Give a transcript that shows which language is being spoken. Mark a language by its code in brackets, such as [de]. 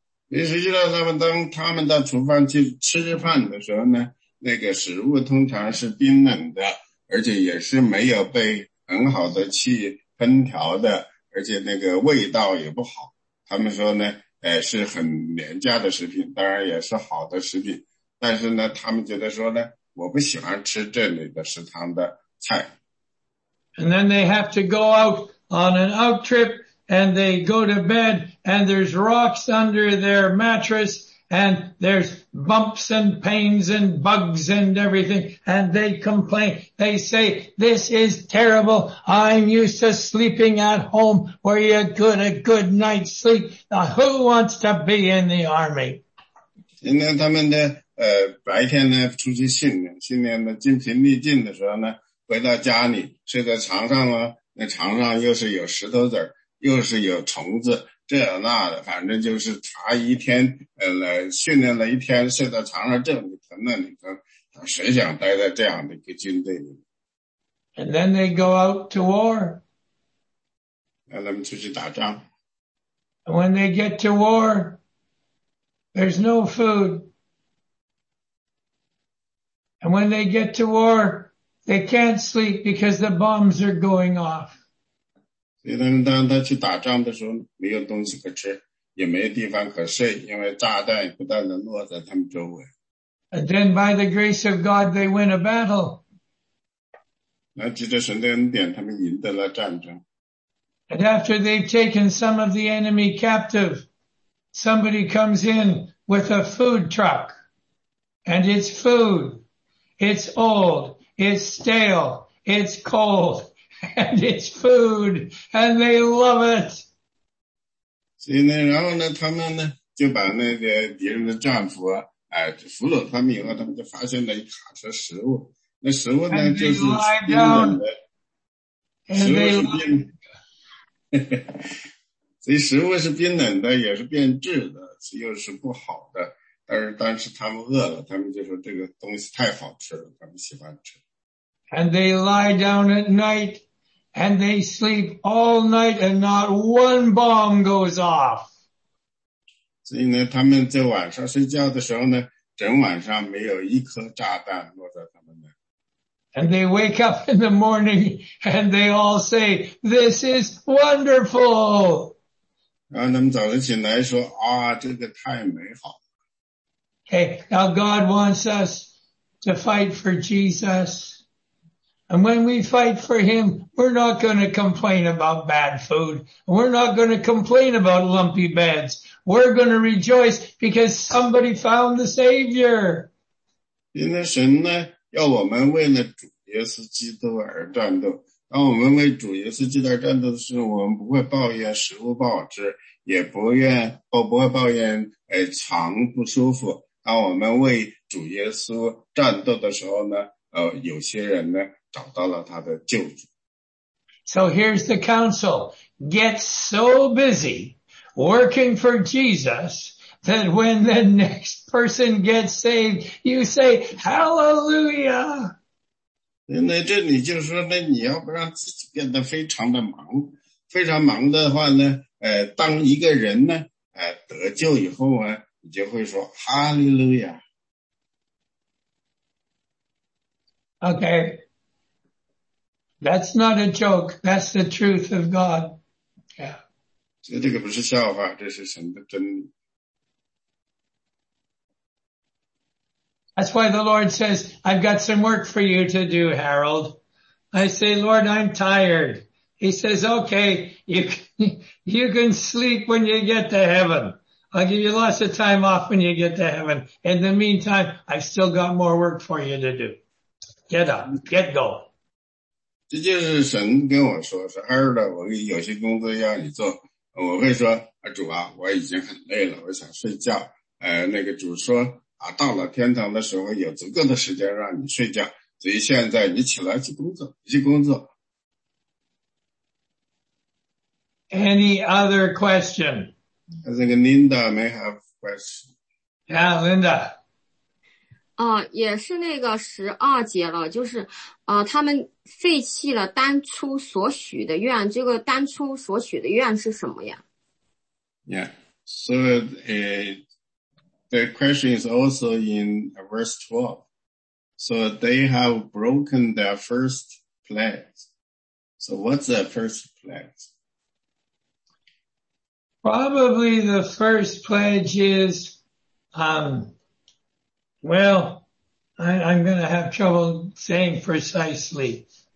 [zh] 实际上他们当他们到厨房去吃饭的时候呢，那个食物通常是冰冷的，而且也是没有被很好的去烹调的，而且那个味道也不好。他们说呢，是很廉价的食品，当然也是好的食品。但是呢，他们觉得说呢，我不喜欢吃这里的食堂的菜。 [en] And then they have to go out on an out trip, and they go to bed, and there's rocks under their mattress, and there's bumps and pains and bugs and everything, and they complain. They say, this is terrible. I'm used to sleeping at home where you get a good night's sleep. Now, who wants to be in the army? [zh] 今天他们的白天呢出去训练呢精疲力尽的时候呢，回到家里睡在床上了，那床上又是有石头子，又是有虫子，这那的，反正就是他一天训练了一天，睡在床上这里疼那里疼，他谁想待在这样的一个军队里。 [en] And then they go out to war. [zh] 让他们出去打仗。 [en] And when they get to war, there's no food. And when they get to war, they can't sleep because the bombs are going off. [zh] 所以当他去打仗的时候没有东西可吃，也没有地方可睡，因为炸弹不断地落在他们周围。 [en] And then by the grace of God, they win a battle. [zh] 那藉着神的恩典，他们赢得了战争。 [en] And after they've taken some of the enemy captive, somebody comes in with a food truck. And it's food. It's old. It's stale. It's cold. And it's food, and they love it. [zh] 所以呢，然后呢，他们呢就把那个敌人的战俘啊，俘虏他们以后，他们就发现了一卡车食物。那食物呢，就是冰冷的，食物是冰。所以食物是变冷的，也是变质的，又是不好的。但是当时他们饿了，他们就说这个东西太好吃了，他们喜欢吃。 [en] And they lie down at night, and they sleep all night, and not one bomb goes off. [zh] 所以呢，他们在晚上睡觉的时候呢，整晚上没有一颗炸弹落在他们那。 [en] And they wake up in the morning, and they all say, "This is wonderful." [zh] 然后他们早晨醒来说，啊，这个太美好。 [en] Okay, now God wants us to fight for Jesus. And when we fight for him, we're not going to complain about bad food. We're not going to complain about lumpy beds. We're going to rejoice because somebody found the Savior. [zh] 因为神呢，要我们为了主耶稣基督而战斗。当我们为主耶稣基督而战斗的时候，我们不会抱怨食物不好吃，也不愿，哦，不会抱怨，哎，肠不舒服。当我们为主耶稣战斗的时候呢，有些人呢找到了他的救主。 [en] So here's the counsel. Get so busy working for Jesus that when the next person gets saved, you say, Hallelujah! [zh] 因为这里就是说呢，你要不让自己变得非常的忙，非常忙的话呢，当一个人呢，得救以后啊，你就会说哈利路亚。 [en] Okay. That's not a joke. That's the truth of God. Yeah. [zh] 这个不是笑话，这是神的真理。 [en] That's why the Lord says, I've got some work for you to do, Harold. I say, Lord, I'm tired. He says, okay, you can sleep when you get to heaven. I'll give you lots of time off when you get to heaven. In the meantime, I've still got more work for you to do. Get up, get going. [zh] 这就是神跟我说，说Harold，我有些工作要你做。我会说，主啊，我已经很累了，我想睡觉。那个主说，啊，到了天堂的时候有足够的时间让你睡觉，所以现在你起来去工作，去工作。 [en] Any other question? I think Linda may have question. Yeah, Linda. [zh] 也是那个十二节了，就是他们废弃了当初所许的愿，这个当初所许的愿是什么呀？ [en] Yeah, so the question is also in verse 12. So they have broken their first pledge. So what's their first pledge? Probably the first pledge is, I'm going to have trouble saying precisely.